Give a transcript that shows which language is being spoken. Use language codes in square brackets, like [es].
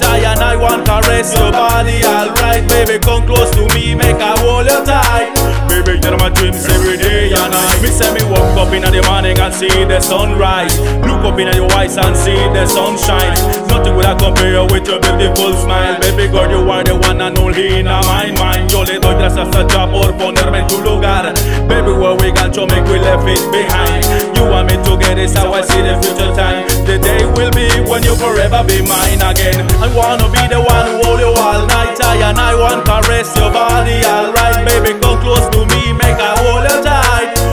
[en] I and I want to caress your body, alright. Baby, come close to me, make I hold you tight. Baby, you know my dreams every day and night. Me say me woke up in the morning and see the sunrise. Look up in your eyes and see the sunshine. Nothing would I compare with your beautiful smile. Baby girl, you are the one and only in my mind. [es] Yo le doy gracias a ya por ponerme en tu lugar. [en] Baby, where we got to make we left it behind. You and me together is how I see the future time. The day will be when you forever be mine again. I wanna be the one who hold you all night. I and I want to caress your body, alright. Baby, come close to me, make I hold you tight.